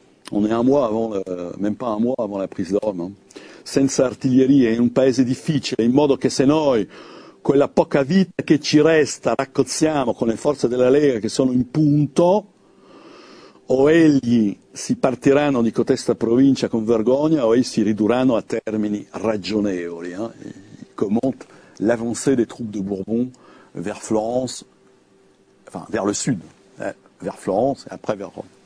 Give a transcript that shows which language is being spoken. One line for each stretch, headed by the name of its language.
French: On est même pas un mois avant la prise de Rome, hein.
Italian: Senza artiglierie, in un paese difficile, in modo che se noi, quella poca vita che ci resta, raccozziamo con le forze della Lega che sono in punto, o egli si partiranno di cotesta provincia con vergogna o essi ridurranno a termini ragionevoli. Hein.
French: Il commente l'avancée des troupes de Bourbon vers Florence, enfin vers le sud, hein, vers Florence et après vers Rome.